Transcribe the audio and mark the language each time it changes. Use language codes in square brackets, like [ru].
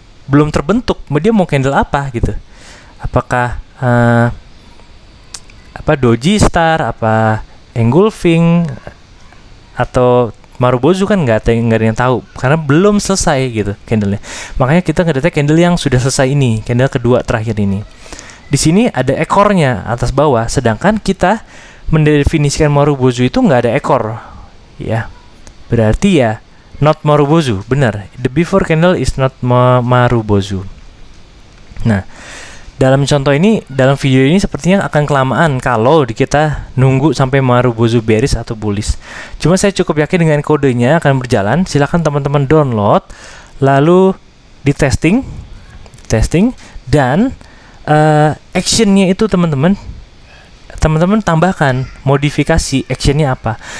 [id] belum terbentuk, dia mau candle apa gitu. Apakah apa doji star, apa engulfing, atau marubozu, kan nggak ada yang tahu karena belum selesai gitu candlenya. Makanya kita ngedetek candle yang sudah selesai ini, candle kedua terakhir ini. Di sini ada ekornya atas bawah, sedangkan kita mendefinisikan marubozu itu nggak ada ekor, ya. Berarti ya [en] not marubozu, [id] benar. [en] The before candle is not marubozu. [id] Nah, dalam contoh ini, dalam video ini sepertinya akan kelamaan kalau kita nunggu sampai marubozu beris atau bullish. Cuma saya cukup yakin dengan kodenya akan berjalan. Silakan teman-teman download, lalu di testing, dan actionnya itu teman-teman tambahkan modifikasi actionnya apa.